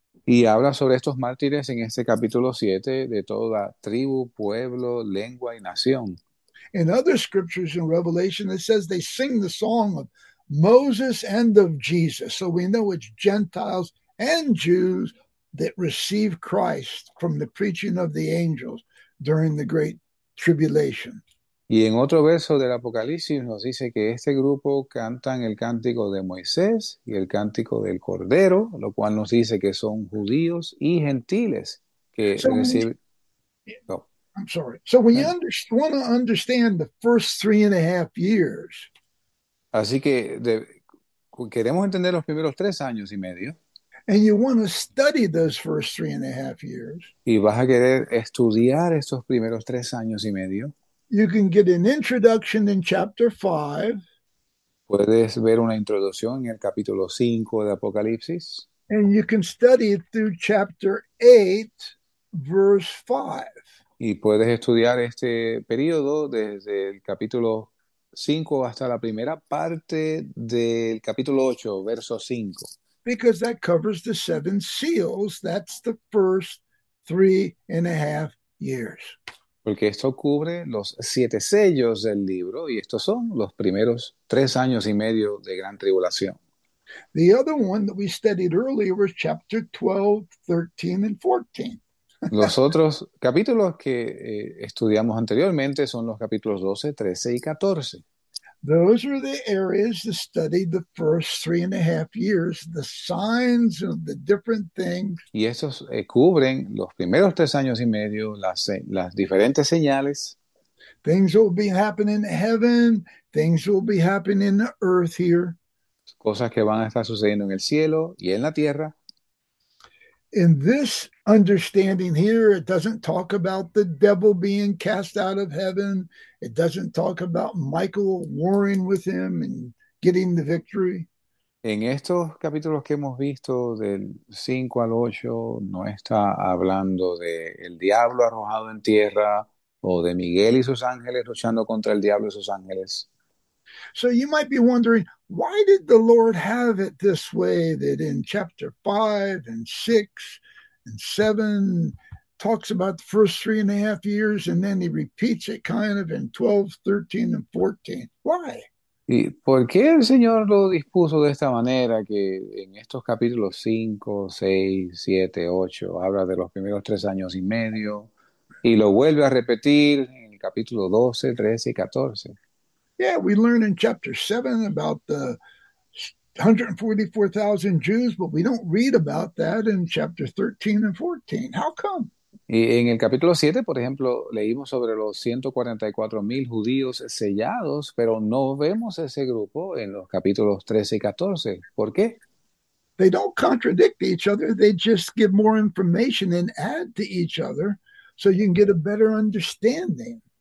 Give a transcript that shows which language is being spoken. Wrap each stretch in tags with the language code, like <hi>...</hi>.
<es>Y habla sobre estos mártires en este capítulo 7 de toda tribu, pueblo, lengua y nación.</es> <en>In other scriptures in Revelation, it says they sing the song of Moses and of Jesus. So we know it's Gentiles and Jews that receive Christ from the preaching of the angels during the Great Tribulation.</en> <es>Y en otro verso del Apocalipsis nos dice que este grupo cantan el cántico de Moisés y el cántico del Cordero, lo cual nos dice que son judíos y gentiles que</es> <en>So when</en> <es>reciben.</es> <en>I'm sorry. So when you</en> <es>Bueno.</es> <en>want to understand the first 3.5 years,</en> <es>Así que queremos entender los primeros 3 años y medio.</es> <en>and you want to study those first 3.5 years,</en> <es>Y vas a querer estudiar estos primeros 3 años y medio.</es> <en>you can get an introduction in chapter 5,</en> <es>Puedes ver una introducción en el capítulo 5 de Apocalipsis.</es> <en>and you can study through chapter 8, verse 5.</en> <es>Y puedes estudiar este periodo desde el capítulo 5 hasta la primera parte del capítulo 8, verso 5.</es> <en>Because that covers the seven seals. That's the first 3.5 years.</en> <es>Porque esto cubre los 7 sellos del libro y estos son los primeros 3 años y medio de gran tribulación.</es> <en>The other one that we studied earlier was chapter 12, 13, and 14.</en> <es>Los otros capítulos que estudiamos anteriormente son los capítulos 12, 13 y 14.</es> <en>Those are the areas to study the first 3.5 years, the signs of the different things.</en> <es>Y estos cubren los primeros 3 años y medio, las diferentes señales.</es> <en>Things will be happening in heaven, things will be happening in the earth here.</en> <es>Cosas que van a estar sucediendo en el cielo y en la tierra.</es> <en>In this understanding here, it doesn't talk about the devil being cast out of heaven. It doesn't talk about Michael warring with him and getting the victory.</en> <es>En estos capítulos que hemos visto del 5 al 8, no está hablando de el diablo arrojado en tierra o de Miguel y sus ángeles luchando contra el diablo y sus ángeles.</es> <en>So you might be wondering, why did the Lord have it this way that in chapter 5 and 6 and 7 talks about the first 3.5 years and then he repeats it kind of in 12, 13, and 14? Why?</en> <es>¿Y por qué el Señor lo dispuso de esta manera, que en estos capítulos 5, 6, 7, 8 habla de los primeros 3 años y medio y lo vuelve a repetir en el capítulo 12, 13 y 14?</es> <en>Yeah, we learn in chapter 7 about the 144,000 Jews, but we don't read about that in chapter 13 and 14. How come?</en> <es>Y en el capítulo 7, por ejemplo, leímos sobre los 144.000 judíos sellados, pero no vemos ese grupo en los capítulos 13 y 14. ¿Por qué?</es> <en>They don't contradict each other, they just give more information and add to each other so you can get a better understanding.</en>